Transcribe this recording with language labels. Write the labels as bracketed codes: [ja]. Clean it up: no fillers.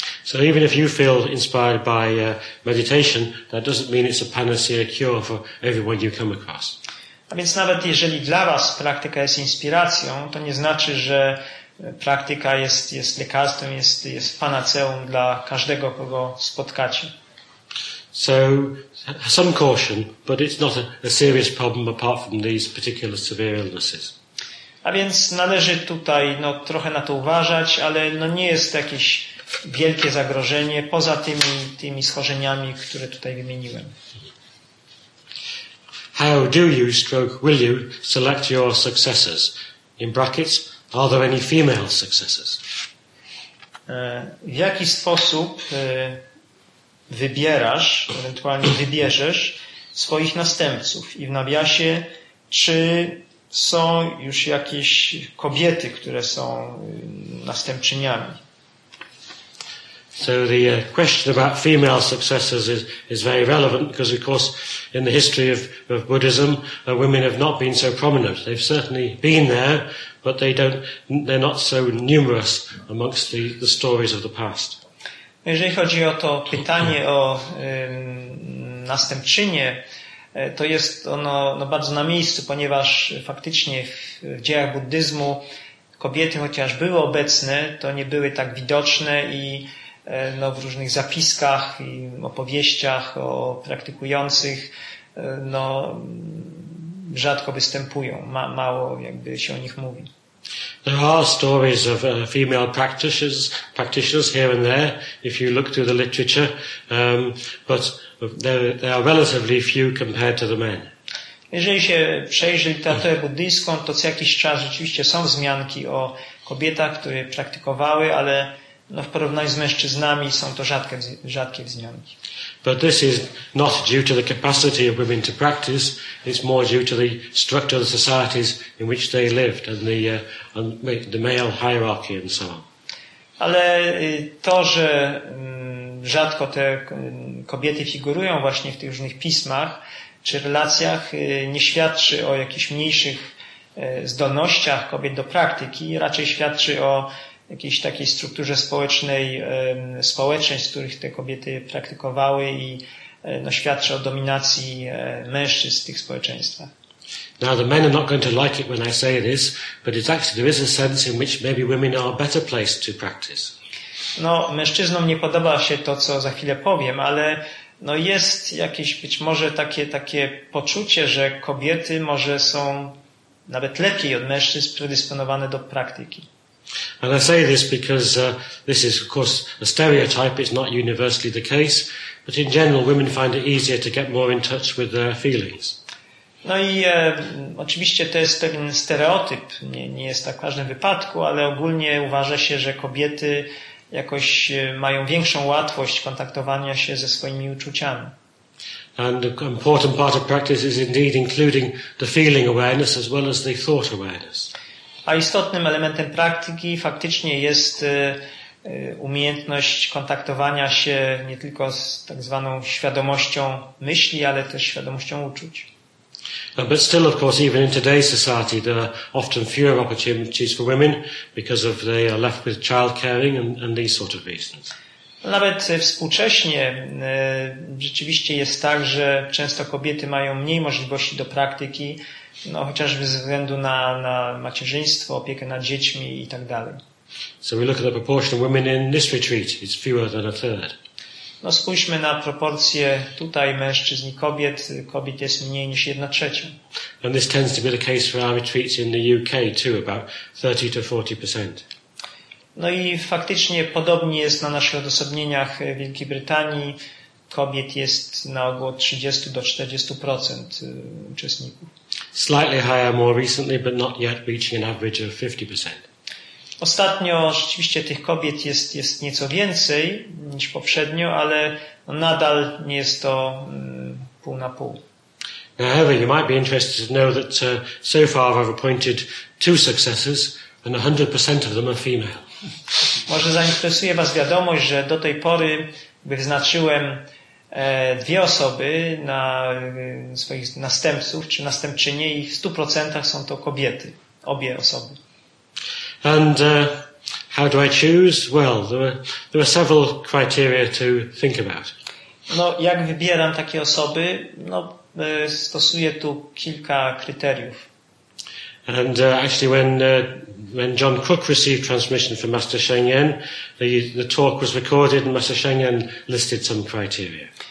[en] So even if you feel inspired by meditation, that doesn't mean it's a panacea cure for everyone you come across. [pl] A więc nawet jeżeli dla was praktyka jest inspiracją, to nie znaczy, że praktyka jest lekarstwem, jest panaceum dla każdego, kogo spotkacie. [en] So some caution, but it's not a serious problem apart from these particular severe illnesses. [pl] A więc należy tutaj, no, trochę na to uważać, ale, no, nie jest jakieś wielkie zagrożenie poza tymi schorzeniami, które tutaj wymieniłem. [en] How do you, stroke will you, select your successors? In brackets, are there any female successors? [pl] W jaki sposób wybierasz, ewentualnie wybierzesz swoich następców? I w nawiasie, czy są już jakieś kobiety, które są następczyniami? [en] So the question about female successors is very relevant because, of course, in the history of Buddhism, women have not been so prominent. They've certainly been there, but they're not so numerous amongst the stories of the past. [pl] Jeżeli chodzi o to pytanie o następczynię, to jest ono, no, bardzo na miejscu, ponieważ faktycznie w dziejach buddyzmu kobiety, chociaż były obecne, to nie były tak widoczne i, no, w różnych zapiskach i opowieściach o praktykujących, no, rzadko występują, mało jakby się o nich mówi. [en] There are stories of female practitioners here and there, if you look through the literature, but they are relatively few compared to the men. [pl] Jeżeli się przejrzy literaturę buddyjską, to co jakiś czas rzeczywiście są wzmianki o kobietach, które praktykowały, ale no, w porównaniu z mężczyznami są to rzadkie wzmianki. [en] But this is not due to the capacity of women to practice, it's more due to the structure of the societies in which they lived and the male hierarchy and so on. [pl] Ale to, że rzadko te kobiety figurują właśnie w tych różnych pismach czy relacjach, nie świadczy o jakichś mniejszych zdolnościach kobiet do praktyki, raczej świadczy o jakiejś takiej strukturze społecznej, społeczeństw, z których te kobiety praktykowały i no, świadczy o dominacji mężczyzn w tych społeczeństwach. [en] Now the men are not going to like it when I say this, but it's actually there is a sense in which maybe women are better placed to practice. [pl] No, mężczyznom nie podoba się to, co za chwilę powiem, ale no, jest jakieś być może takie poczucie, że kobiety może są nawet lepiej od mężczyzn predysponowane do praktyki. [en] And I say this because this is of course a stereotype, it's not universally the case, but in general women find it easier to get more in touch with their feelings. [pl] No i oczywiście to jest pewien stereotyp, nie jest tak w każdym wypadku, ale ogólnie uważa się, że kobiety jakoś mają większą łatwość kontaktowania się ze swoimi uczuciami. [en] And an important part of practice is indeed including the feeling awareness as well as the thought awareness. [pl] A istotnym elementem praktyki faktycznie jest umiejętność kontaktowania się nie tylko z tak zwaną świadomością myśli, ale też świadomością uczuć. [en] But still, of course, even in today's society, there are often fewer opportunities for women because of they are left with child caring and these sort of reasons. [pl] Nawet współcześnie rzeczywiście jest tak, że często kobiety mają mniej możliwości do praktyki, no chociażby ze względu na macierzyństwo, opiekę nad dziećmi i tak dalej. [en] So we look at the proportion of women in this retreat, it's fewer than a third. [pl] No spójrzmy na proporcje tutaj mężczyzn i kobiet. Kobiet jest mniej niż 1/3. [en] And this tends to be the case for our retreats in the UK too, about 30-40%. [pl] No i faktycznie podobnie jest na naszych odosobnieniach w Wielkiej Brytanii. Kobiet jest na ogół od 30-40% uczestników. [en] Slightly higher more recently, but not yet reaching an average of 50%. [pl] Ostatnio rzeczywiście tych kobiet jest nieco więcej niż poprzednio, ale nadal nie jest to pół na pół. [en] Now, however, you might be interested to know that so far I've appointed 2 successors and 100% of them are female. [pl] Może zainteresuje Was wiadomość, że do tej pory wyznaczyłem 2 osoby na swoich następców czy następczynie i w 100% są to kobiety, obie osoby. [en] And how do I choose? Well, there are several criteria to think about. [pl] No, jak wybieram takie osoby? No, stosuję tu kilka kryteriów. [en] And actually when John Crook received transmission from Master Sheng Yen, the talk was recorded and Master Sheng Yen listed some criteria.